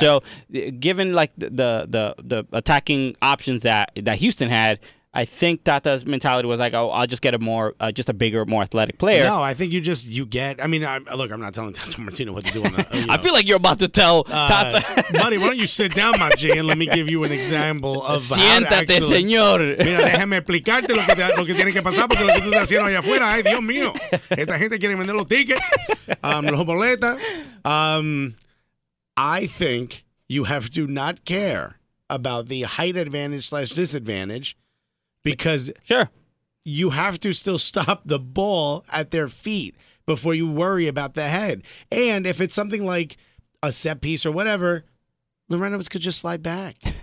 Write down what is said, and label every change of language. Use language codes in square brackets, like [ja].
[en] So given like the attacking options that Houston had, I think Tata's mentality was like, oh, I'll just get a more, just a bigger, more athletic player. No, I think you get, I mean, I'm not telling Tata Martino what to do. I feel like you're about to tell Tata. Buddy, why don't you sit down, Maji, and let me give you an example of [es] Siéntate, [en] how to actually. [es] Siéntate, señor. Mira, déjame explicarte lo que tiene que pasar, porque lo que tú estás haciendo allá afuera, ay, Dios mío. Esta gente quiere vender los tickets, los boletas. [en] I think you have to not care about the height advantage / disadvantage. Because you have to still stop the ball at their feet before you worry about the head. And if it's something like a set piece or whatever, Lorenowitz could just slide back.